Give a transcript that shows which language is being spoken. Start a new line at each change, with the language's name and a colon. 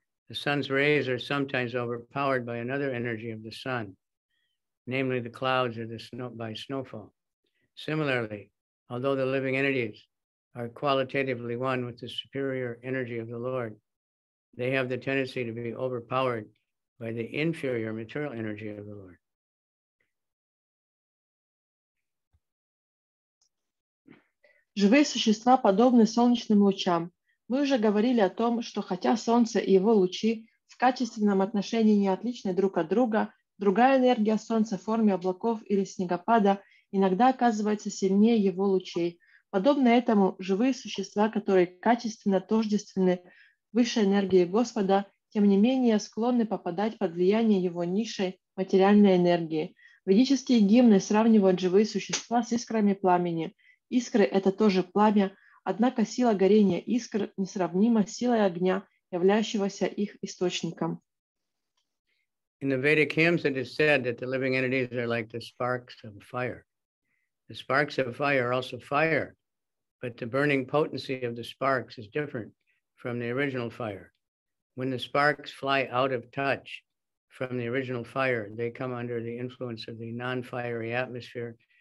English: The sun's rays are sometimes overpowered by another energy of the sun, namely the clouds or the snow by snowfall. Similarly, although the living entities are qualitatively one with the superior energy of the Lord, they have the tendency to be overpowered by the inferior material energy of the Lord.
Russian: Живые существа подобны солнечным лучам. Мы уже говорили о том, что хотя солнце и его лучи в качественном отношении не отличны друг от друга, другая энергия солнца в форме облаков или снегопада иногда оказывается сильнее его лучей. Подобно этому, живые существа, которые качественно тождественны высшей энергии Господа, тем не менее склонны попадать под влияние его низшей материальной энергии. Ведические гимны сравнивают живые существа с искрами пламени. Искры – это тоже пламя, однако сила горения искр несравнима с силой огня, являющегося их источником.
English: In the Vedic hymns, it is said that the living entities are like the sparks of fire. The sparks of fire are also fire, but the burning potency of the sparks is different from the original fire. When the sparks fly out of touch from the original fire, they come under the influence of the non-fiery atmosphere.